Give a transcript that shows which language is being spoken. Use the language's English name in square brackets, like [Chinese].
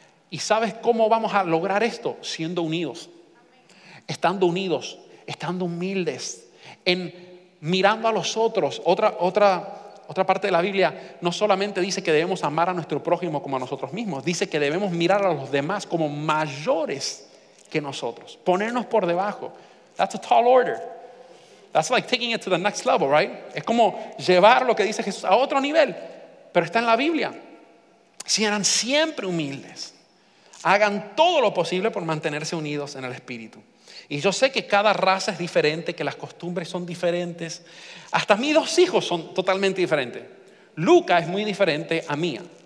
[Spanish] ¿Y sabes cómo vamos a lograr esto? Siendo unidos, estando unidos, estando humildes, en mirando a los otros. Otra parte de la Biblia no solamente dice que debemos amar a nuestro prójimo como a nosotros mismos, dice que debemos mirar a los demás como mayores que nosotros, ponernos por debajo. [English] That's a tall order. That's like taking it to the next level, right? [Spanish] Es como llevar lo que dice Jesús a otro nivel, pero está en la Biblia. Sean siempre humildes, hagan todo lo posible por mantenerse unidos en el Espíritu. Y yo sé que cada raza es diferente, que las costumbres son diferentes. Hasta mis dos hijos son totalmente diferentes. Luca es muy diferente a Mía.